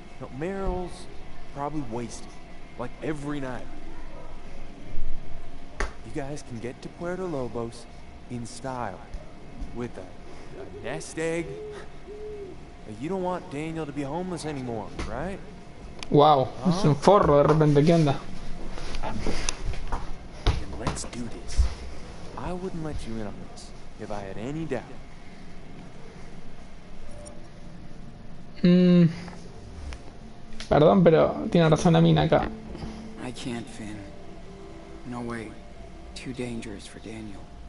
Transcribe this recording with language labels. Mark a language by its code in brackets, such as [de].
[en] No, Meryl's probably wasted, like every night. You guys can get to Puerto Lobos in style with a nest egg. You don't want Daniel to be homeless anymore, right? [es] Wow, huh? Es un forro de repente, ¿qué onda? [en] Then let's do this. I wouldn't let you in on this if I had any doubt. [es] Perdón, pero tiene razón la mina acá. [en] I can't, Finn. No way. Too dangerous for Daniel.